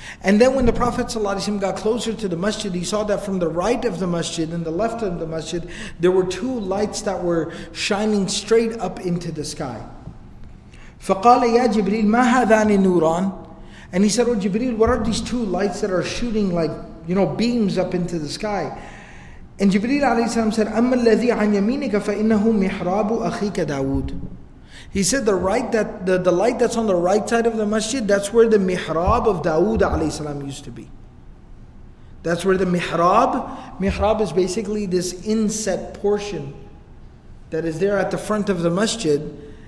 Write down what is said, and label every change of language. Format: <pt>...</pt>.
<en>And then when the Prophet ﷺ got closer to the masjid, he saw that from the right of the masjid and the left of the masjid, there were two lights that were shining straight up into the sky.</en> <ar>فَقَالَ يَا جِبْرِيلْ مَا هَذَانِ نُورَانِ.</ar> <en>And he said, oh Jibreel, what are these two lights that are shooting like, you know, beams up into the sky? And Jibreel ﷺ said,</en> <ar>أَمَّا الَّذِي عَنْ يَمِينِكَ فَإِنَّهُ مِحْرَابُ أَخِيكَ دَاوُودِ.</ar> <en>He said the light that's on the right side of the masjid, that's where the mihrab of Dawood alayhi salam used to be. That's where the mihrab is basically this inset portion that is there at the front of the masjid.</en>